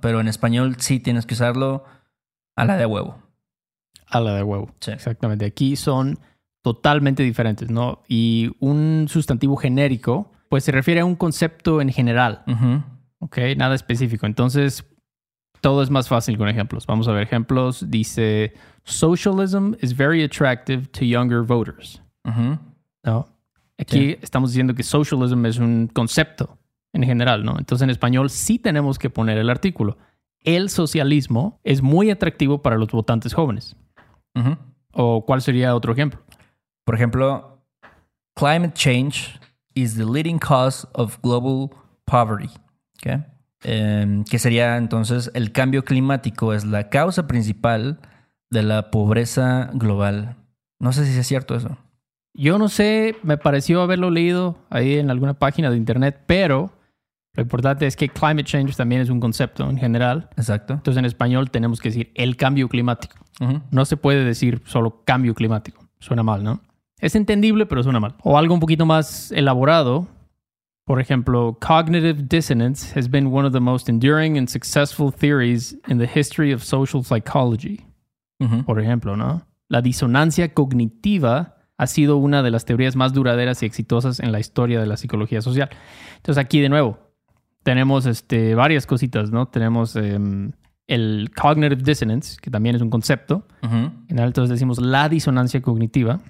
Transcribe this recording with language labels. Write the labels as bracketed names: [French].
[Spanish] Pero en español sí tienes que usarlo a la de huevo. A la de huevo. Sí. Exactamente. Aquí son totalmente diferentes, ¿no? Y un sustantivo genérico, pues se refiere a un concepto en general. ¿Ok? Nada específico. Entonces, todo es más fácil con ejemplos. Vamos a ver ejemplos. Dice, [English] socialism is very attractive to younger voters. [Spanish] ¿No? Aquí estamos diciendo que socialism es un concepto en general, ¿no? Entonces, en español sí tenemos que poner el artículo. El socialismo es muy atractivo para los votantes jóvenes. ¿O cuál sería otro ejemplo? [English] Por ejemplo, climate change is the leading cause of global poverty. ¿Okay? [Spanish] Que sería entonces el cambio climático es la causa principal de la pobreza global. No sé si es cierto eso. Yo no sé, me pareció haberlo leído ahí en alguna página de internet, pero lo importante es que [English] climate change [Spanish] también es un concepto en general. Exacto. Entonces en español tenemos que decir el cambio climático. No se puede decir solo cambio climático. Suena mal, ¿no? Es entendible, pero suena mal. O algo un poquito más elaborado. Por ejemplo, [English] cognitive dissonance has been one of the most enduring and successful theories in the history of social psychology. [Spanish] Por ejemplo, ¿no? La disonancia cognitiva ha sido una de las teorías más duraderas y exitosas en la historia de la psicología social. Entonces, aquí de nuevo, tenemos varias cositas, ¿no? Tenemos el [English] cognitive dissonance, [Spanish] que también es un concepto. Uh-huh. En general, decimos la disonancia cognitiva.